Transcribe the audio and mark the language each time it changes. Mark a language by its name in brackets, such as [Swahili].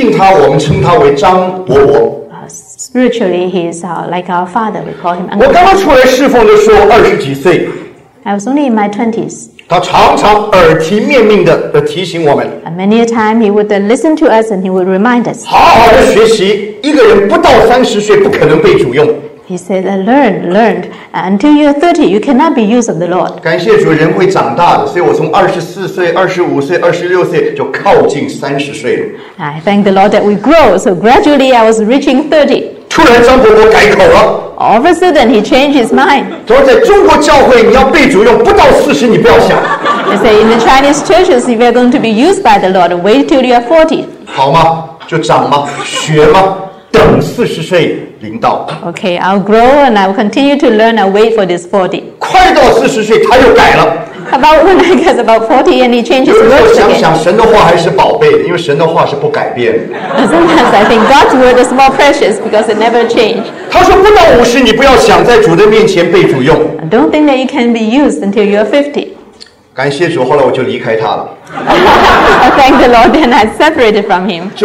[Chinese] 那么，在属灵上，他帮助我们，我们很尊敬他，我们称他为张伯伯。 [English] Spiritually, he is like our father. We call him uncle. [Chinese] 我刚刚出来侍奉的时候，二十几岁。 [English] I was only in my 20s. [Chinese] 他常常耳提面命的提醒我们。 [English] And many a time, he would listen to us and he would remind us. [Chinese] 好好的学习，一个人不到30岁不可能被主用。 [English] He said, learn. Until you're 30, you cannot be used of the Lord. [Chinese] 感谢主，人会长大的，所以我从24岁、25岁、26岁就靠近30岁了。 [English] I thank the Lord that we grow, so gradually I was reaching 30. [Chinese] 突然张伯伯改口了。 [English] All of a sudden, he changed his mind. [Chinese] 说在中国教会，你要被主用，不到40你不要想。 [English] He said, in the Chinese churches, if you're going to be used by the Lord, wait till you're 40. [Chinese] 好吗？就长吗？学吗？等40岁临到。 [English] Okay, I'll grow and I'll continue to learn. I'll wait for this 40. [Chinese] 快到40岁，他又改了。 [English] About when I get about 40 and he changes words again. [Chinese] 有时候想想神的话还是宝贝的，因为神的话是不改变的。 [English] Sometimes I think God's word is more precious because it never changes. [Chinese] 他说不到50，你不要想在主的面前被主用。 [English] Don't think that you can be used until you're 50. [Chinese] 感谢主，后来我就离开他了。 [English] I thank the Lord, and I separated from him.